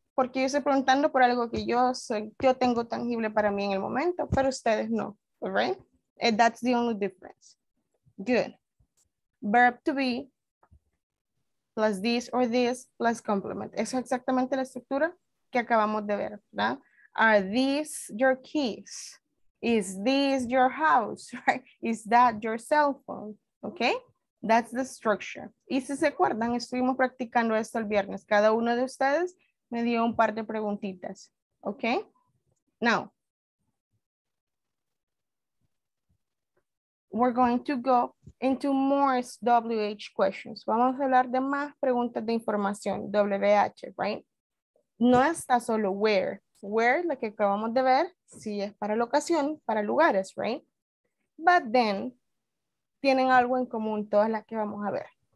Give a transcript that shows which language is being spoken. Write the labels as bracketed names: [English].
[Spanish] Porque yo estoy preguntando por algo que yo soy, yo tengo tangible para mí en el momento, pero ustedes no, [English] right? And that's the only difference. Good. Verb to be plus this or this plus complement. [Spanish] Eso es exactamente la estructura que acabamos de ver, ¿verdad? [English] Are these your keys? Is this your house? Right? Is that your cell phone? Okay? That's the structure. [Spanish] Y si se acuerdan, estuvimos practicando esto el viernes. Cada uno de ustedes me dio un par de preguntitas. [English] Okay? Now, we're going to go into more WH questions. [Spanish] Vamos a hablar de más preguntas de información, WH, right? No está solo where. Where, lo que acabamos de ver, sí es para locación, para lugares, right? [English] But then, [Spanish] tienen algo en común todas las que vamos a ver.